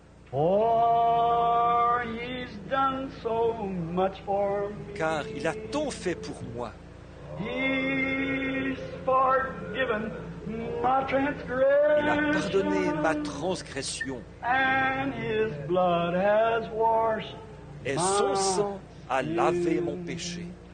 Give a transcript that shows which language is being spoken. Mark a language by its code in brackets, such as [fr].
[en] For he's done so much for me. [fr] Car il a tant fait pour moi. [en] He's forgiven my transgression. [fr] Il a pardonné ma transgression. [en] And his blood has washed [fr] Et son sang a lavé mon péché.